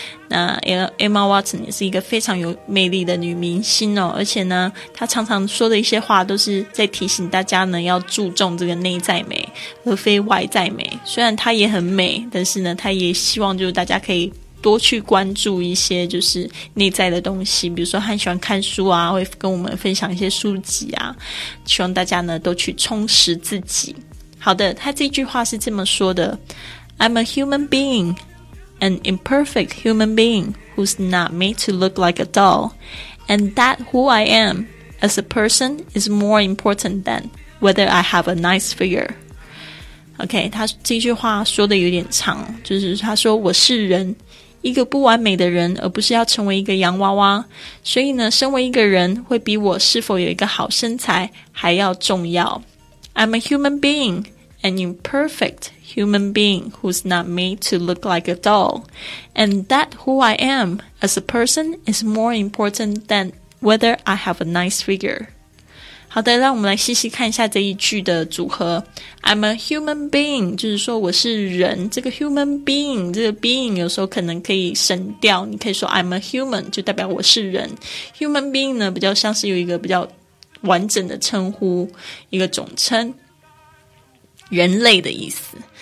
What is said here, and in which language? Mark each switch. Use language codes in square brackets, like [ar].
[zh] 那 Emma Watson 也是一个非常有魅力的女明星哦，而且呢，她常常说的一些话都是在提醒大家呢，要注重这个内在美而非外在美。虽然她也很美，但是呢，她也希望就是大家可以多去关注一些就是内在的东西，比如说很喜欢看书啊，会跟我们分享一些书籍啊，希望大家呢都去充实自己。好的，他这句话是这么说的， [en] I'm a human being, an imperfect human being who's not made to look like a doll, and that who I am as a person is more important than whether I have a nice figure. [zh] OK， 他这句话说的有点长，就是他说我是人，一个不完美的人，而不是要成为一个洋娃娃。所以呢，身为一个人会比我是否有一个好身材还要重要。 [en] I'm a human being, an imperfect human being who's not made to look like a doll, and that who I am as a person is more important than whether I have a nice figure. [zh] 好的，让我们来细细看一下这一句的组合。 [en] I'm a human being， [zh] 就是说我是人。这个 human being， 这个 being 有时候可能可以省掉，你可以说 [en] I'm a human， [zh] 就代表我是人。 human being 呢，比较像是有一个比较完整的称呼，一个总称，人类的意思。